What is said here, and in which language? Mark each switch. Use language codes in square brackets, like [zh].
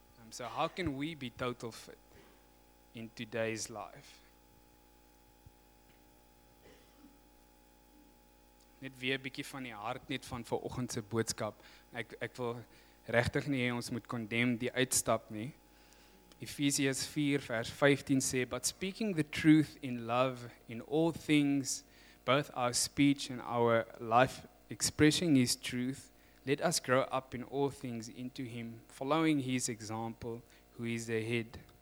[en] So how can we be total fit in today's life? [af] Net weer 'n bietjie van die hart net van vanoggend se boodskap. Ek wil regtig nie ons moet condemn die uitstap nie. Efesiërs 4 vers 15 sê, [en] but speaking the truth in love in all things, both our speech and our life expressing his truth, let us grow up in all things into him, following his example, who is the head.